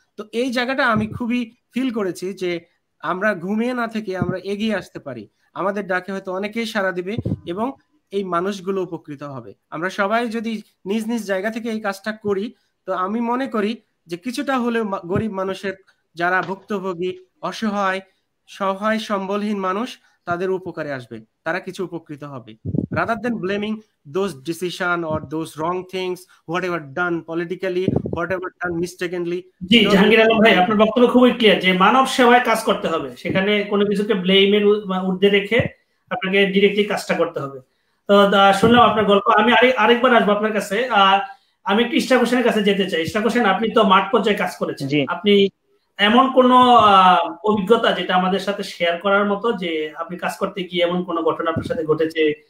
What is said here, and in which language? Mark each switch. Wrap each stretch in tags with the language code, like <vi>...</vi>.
<bn>তো এই জায়গাটা আমি খুবই ফিল করেছি যে আমরা ঘুমিয়ে না থেকে আমরা এগিয়ে আসতে পারি, আমাদের ডাকে হয়তো অনেকেই সাড়া দিবে এবং এই মানুষগুলো উপকৃত হবে। আমরা সবাই যদি নিজ নিজ জায়গা থেকে এই কাজটা করি, তো আমি মনে করি যে কিছুটা হলেও গরিব মানুষের, যারা ভুক্তভোগী, অসহায়, সহায় সম্বলহীন মানুষ, তাদের উপকারে আসবে, তারা কিছু উপকৃত হবে।</bn> <en>Rather than blaming those decision or those wrong things, whatever done politically, whatever done mistakenly.</en> <bn>জি জাহাঙ্গীর আলম ভাই, আপনার বক্তব্য খুবই ক্লিয়ার যে মানব সেবায় কাজ করতে হবে, সেখানে কোনো কিছুকে ব্লেম এর ঊর্ধ্বে রেখে আপনাকে ডিরেক্টলি কাজটা করতে হবে। তো শুনলাম আপনার গল্প, আমি আরেকবার আসবো আপনার কাছে। আমি একটু ইশরাক হোসেনের কাছে যেতে চাই। ইশরাক হোসেন, আপনি তো মাঠ পর্যায়ে কাজ করেছেন, আপনি এমন কোন অভিজ্ঞতা যেটা আমাদের সাথে শেয়ার করার মতো, যে আপনি কাজ করতে গিয়ে এমন কোন ঘটনা আপনার সাথে ঘটেছে?</bn>